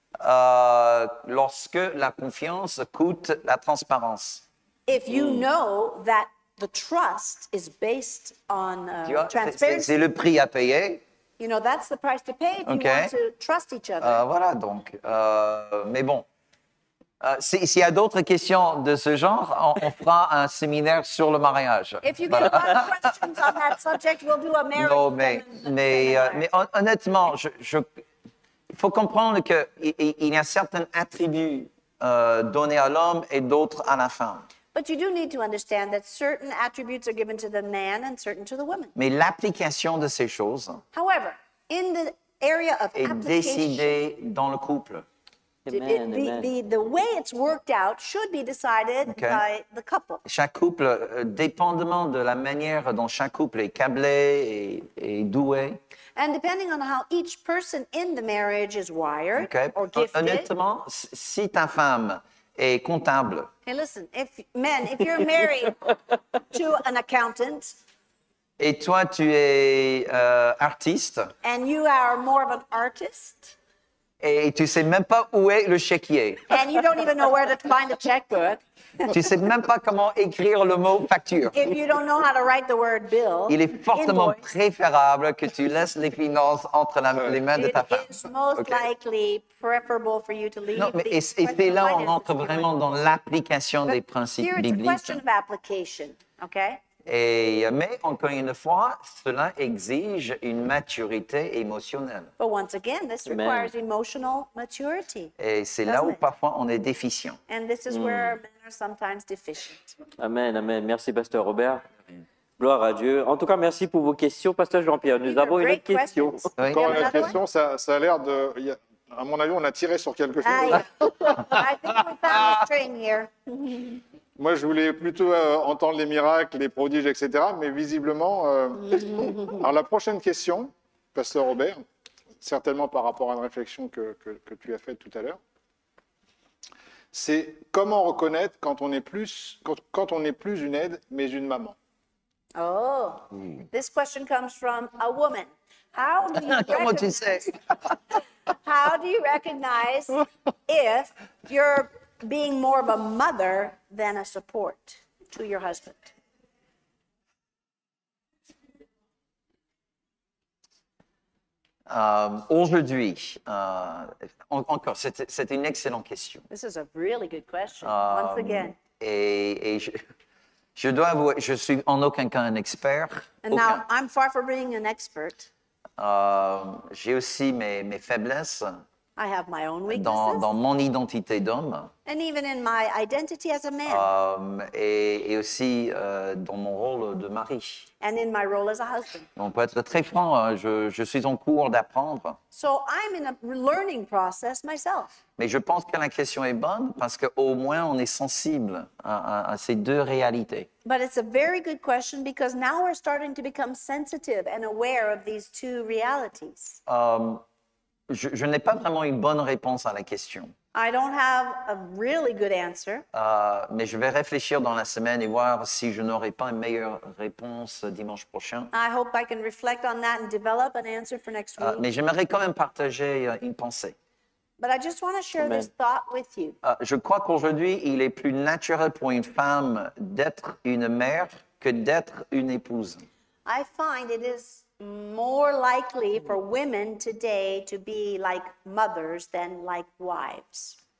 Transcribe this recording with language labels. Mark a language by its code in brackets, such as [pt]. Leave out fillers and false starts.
[fr] Lorsque la confiance coûte la transparence. [en] If you know that the trust is based on transparency, [fr] c'est le prix à payer. [en] You know, that's the price to pay if you want to trust each other. [fr] Voilà, donc, mais bon. S'il y a d'autres questions de ce genre, on fera un séminaire sur le mariage. [en] If you get a lot of questions on that subject, we'll do a marriage. [fr] Non, mais honnêtement, il faut comprendre qu'il y a certains attributs donnés à l'homme et d'autres à la femme. [en] But you do need to understand that certain attributes are given to the man and certain to the woman. [fr] Mais l'application de ces choses. [en] However, in the area of [fr] est décidée dans le couple. [en] The way it's worked out should be decided by the couple. [fr] Chaque couple, dépendamment de la manière dont chaque couple est câblé et doué. [en] And depending on how each person in the marriage is wired or gifted. [fr] Honnêtement, si ta femme est comptable. [en] Hey, listen, if you're married to an accountant. [fr] Et toi, tu es artiste. [en] And you are more of an artist. [fr] Et tu sais même pas où est le chéquier. [en] And you don't even know where to find the checkbook. [fr] Tu sais même pas comment écrire le mot facture. [en] If you don't know how to write the word bill, [fr] il est fortement préférable que tu laisses les finances entre les mains de ta femme. [en] It is most likely preferable for you to leave. [fr] Non, mais c'est là on entre vraiment dans l'application des principes bibliques. [en] Here it's a question of application, okay? [fr] Mais encore une fois, cela exige une maturité émotionnelle. [en] But once again, this requires emotional maturity. [fr] Et c'est là où parfois on est déficient. [en] And this is where men are sometimes deficient. [fr] Amen, amen. Merci, Pasteur Robert. Gloire à Dieu. En tout cas, merci pour vos questions, Pasteur Jean-Pierre. Nous avons une autre question. Encore une autre question. Ça a l'air de. À mon avis, on a tiré sur quelque chose. [en] I think we found a string here. [fr] Moi, je voulais plutôt entendre les miracles, les prodiges, etc. Mais visiblement, alors la prochaine question, Pasteur Robert, certainement par rapport à une réflexion que tu as faite tout à l'heure, c'est comment reconnaître quand on n'est plus une aide, mais une maman. [en] Oh, this question comes from a woman. [fr] Comment tu sais? [en] How do you recognize if you're being more of a mother than a support to your husband? [fr] Aujourd'hui, encore, c'est une excellente question. [en] This is a really good question, once again. [fr] Et je dois avouer, je suis en aucun cas un expert. [en] Now, I'm far from being an expert. [fr] J'ai aussi mes faiblesses. [en] I have my own weaknesses. [fr] Dans mon identité d'homme. [en] And even in my identity as a man. [fr] Et aussi dans mon rôle de mari. [en] And in my role as a husband. [fr] On peut être très franc, je suis en cours d'apprendre. [en] So I'm in a learning process myself. [fr] Mais je pense que la question est bonne parce qu'au moins on est sensible à ces deux réalités. [en] But it's a very good question because now we're starting to become sensitive and aware of these two realities. [fr] Je n'ai pas vraiment une bonne réponse à la question. [en] I don't have a really good answer. [fr] Mais je vais réfléchir dans la semaine et voir si je n'aurai pas une meilleure réponse dimanche prochain. [en] I hope I can reflect on that and develop an answer for next week. [fr] Mais j'aimerais quand même partager une pensée. [en] But I just want to share this thought with you. [fr] Je crois qu'aujourd'hui, il est plus naturel pour une femme d'être une mère que d'être une épouse. [en] I find it is more likely for women today to be like mothers than like wives.